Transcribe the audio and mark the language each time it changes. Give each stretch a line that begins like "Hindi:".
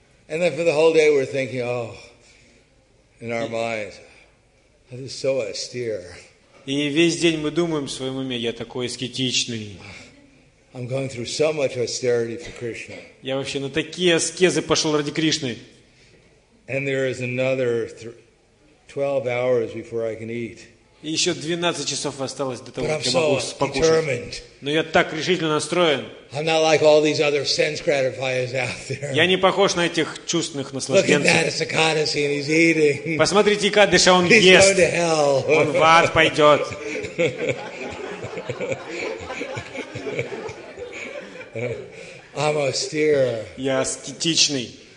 English: And then for the whole day we're thinking, oh, in our minds, this is so austere.
Russian: И весь день мы думаем в своем уме, я такой аскетичный.
English: I'm going through so much austerity for Krishna.
Russian: Я вообще на такие аскезы пошел ради Кришны.
English: And there is another 12 hours before I can eat.
Russian: И еще 12 часов осталось до того, как я могу покушать. Но я так решительно настроен.
English: I'm not like all these other sense gratifiers out there.
Russian: Я не похож на этих чувственных наслаждений. Посмотрите, Кадыша, он ест. Он в ад пойдет.
English: I'm austere.
Russian: Я аскетичный.